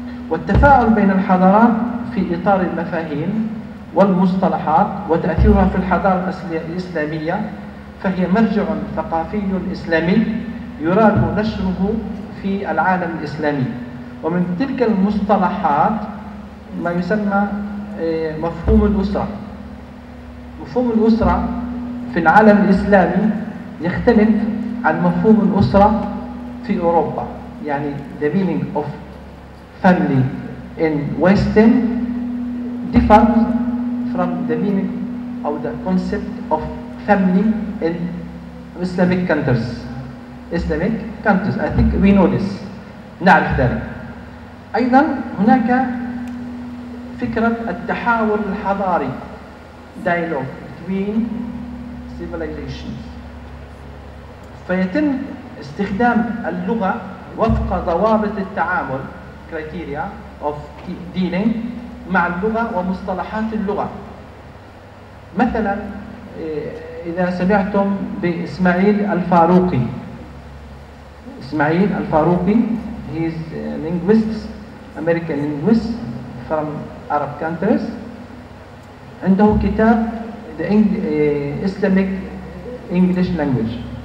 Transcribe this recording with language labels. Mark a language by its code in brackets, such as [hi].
[ar] والتفاعل بين الحضارات في إطار المفاهيم والمصطلحات وتأثيرها في الحضارة الإسلامية فهي مرجع ثقافي إسلامي يراد نشره في العالم الإسلامي. ومن تلك المصطلحات ما يسمى مفهوم الأسرة. مفهوم الأسرة في العالم الإسلامي يختلف عن مفهوم الأسرة في أوروبا. [en] يعني the meaning of family in Western differs from the meaning of the concept of family in Islamic countries. Islamic countries. I think we know this. [ar] نعرف ذلك. أيضا هناك فكرة التحاور الحضاري [en] dialogue between civilizations. [ar] فيتم استخدام اللغة وفق ضوابط التعامل [en] criteria of dealing [ar] مع اللغة ومصطلحات اللغة. مثلا إذا سمعتم بإسماعيل الفاروقي. إسماعيل الفاروقي [en] he is a linguist, American linguist from Arab countries. [ar] عنده كتاب the Islamic English language.